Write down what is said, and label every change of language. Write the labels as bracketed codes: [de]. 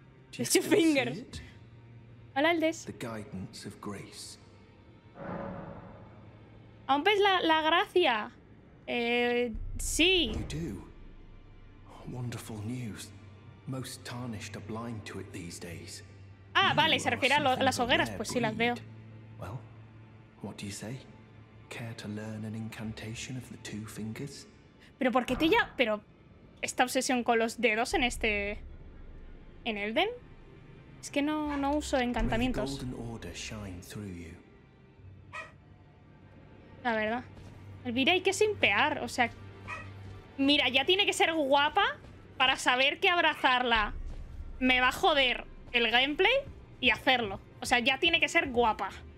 [en] do you still see it? [es] Hola, [en] Aldes. The guidance of grace. [es] ¿Aún ves la gracia? Sí. [en] You do. Wonderful news. Most tarnished are blind to it these days. [es] Ah, vale, se refiere a las hogueras, pues sí las veo. [en] Well, what do you say? Care to learn an incantation of the two fingers? [es] Pero ¿por qué te ya? Pero esta obsesión con los dedos en este, en Elden, es que no uso encantamientos. [en] May the Golden Order shine through you. [es] La verdad, Elvira, hay que simpear, o sea, mira, ya tiene que ser guapa para saber que abrazarla me va a joder el gameplay y hacerlo, o sea, ya tiene que ser guapa.